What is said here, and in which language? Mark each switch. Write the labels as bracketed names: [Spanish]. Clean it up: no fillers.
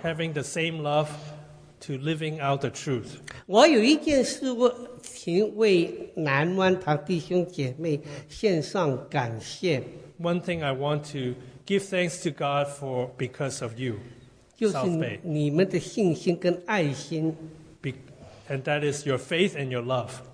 [English] having the same love to living out the truth. [Chinese] 我有一件事情为南湾堂弟兄姐妹献上感谢。 [English] One thing I want to give thanks to God for because of you, South Bay. [Chinese] 就是你们的信心跟爱心。 [English] And that is your faith and your love.